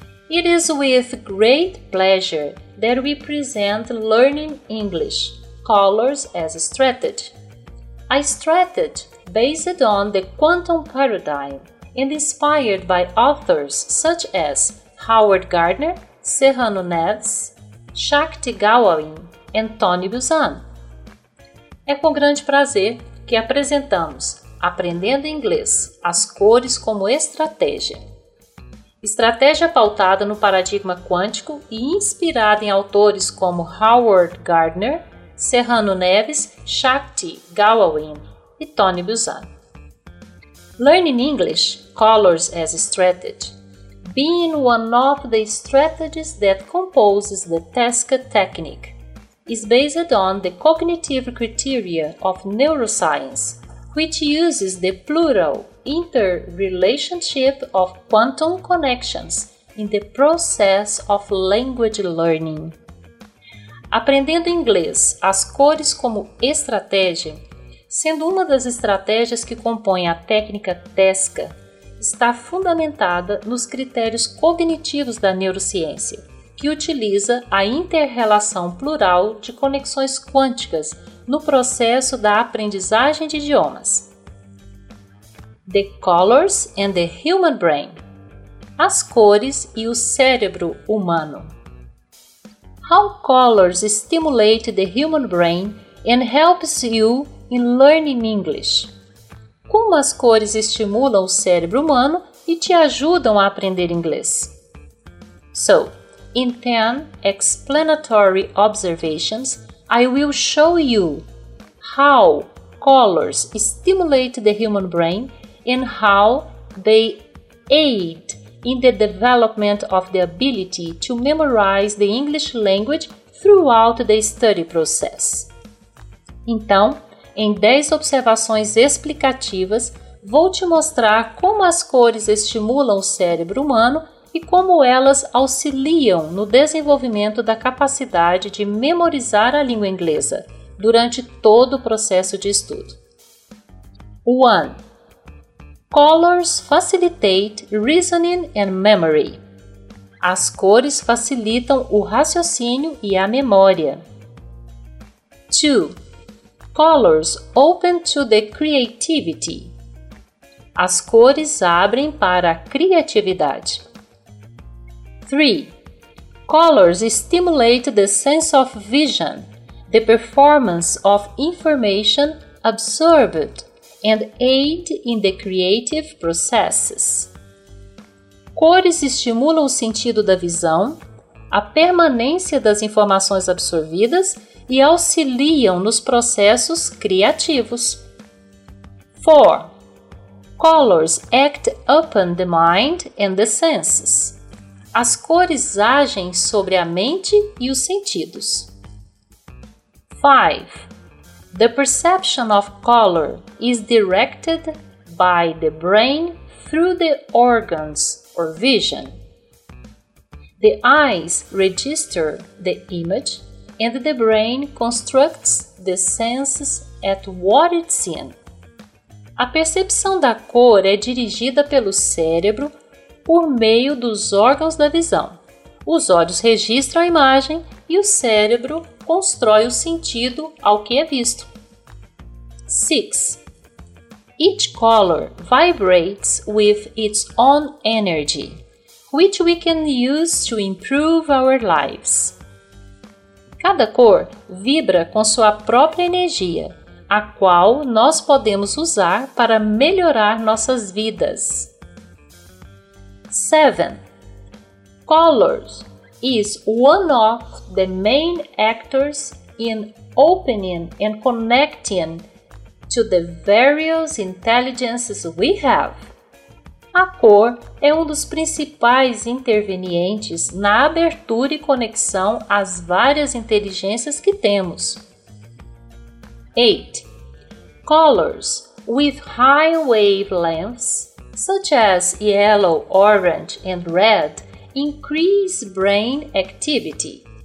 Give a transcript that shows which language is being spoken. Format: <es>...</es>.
<en>It is with great pleasure that we present Learning English, Colors as a Strategy. A strategy based on the quantum paradigm and inspired by authors such as Howard Gardner, Serrano Neves, Shakti Gawain and Tony Buzan.</en> <pt>É com grande prazer que apresentamos Aprendendo Inglês, as Cores como Estratégia. Estratégia pautada no paradigma quântico e inspirada em autores como Howard Gardner, Serrano Neves, Shakti Gawain e Tony Buzan.</pt> <en>Learning English, Colors as a Strategy, being one of the strategies that composes the TESC technique, is based on the cognitive criteria of neuroscience, which uses the plural interrelationship of quantum connections in the process of language learning.</en> <pt>Aprendendo inglês, as cores como estratégia, sendo uma das estratégias que compõem a técnica TESC, está fundamentada nos critérios cognitivos da neurociência, que utiliza a interrelação plural de conexões quânticas no processo da aprendizagem de idiomas.</pt> <en>The colors and the human brain.</en> <pt>As cores e o cérebro humano.</pt> <en>How colors stimulate the human brain and helps you in learning English.</en> <pt>Como as cores estimulam o cérebro humano e te ajudam a aprender inglês.</pt> <en>So, in 10 explanatory observations, I will show you how colors stimulate the human brain and how they aid in the development of the ability to memorize the English language throughout the study process.</en> <pt>Então, em 10 observações explicativas, vou te mostrar como as cores estimulam o cérebro humano e como elas auxiliam no desenvolvimento da capacidade de memorizar a língua inglesa durante todo o processo de estudo. 1.</pt> <en>Colors facilitate reasoning and memory.</en> <pt>As cores facilitam o raciocínio e a memória.</pt> <en>2. Colors open to the creativity.</en> <pt>As cores abrem para a criatividade. 3.</pt> <en>Colors stimulate the sense of vision, the performance of information absorbed, and aid in the creative processes.</en> <pt>Cores estimulam o sentido da visão, a permanência das informações absorvidas e auxiliam nos processos criativos. 4.</pt> <en>Colors act upon the mind and the senses.</en> <pt>As cores agem sobre a mente e os sentidos. 5.</pt> <en>The perception of color is directed by the brain through the organs or vision. The eyes register the image and the brain constructs the senses at what it's seen.</en> <pt>A percepção da cor é dirigida pelo cérebro por meio dos órgãos da visão. Os olhos registram a imagem e o cérebro constrói o sentido ao que é visto. 6.</pt> <en>Each color vibrates with its own energy, which we can use to improve our lives.</en> <pt>Cada cor vibra com sua própria energia, a qual nós podemos usar para melhorar nossas vidas. 7.</pt> <en>Colors is one of the main actors in opening and connecting to the various intelligences we have.</en> <pt>A cor é um dos principais intervenientes na abertura e conexão às várias inteligências que temos. 8.</pt> <en>Colors with high wavelengths, such as yellow, orange, and red, increase brain activity.</en>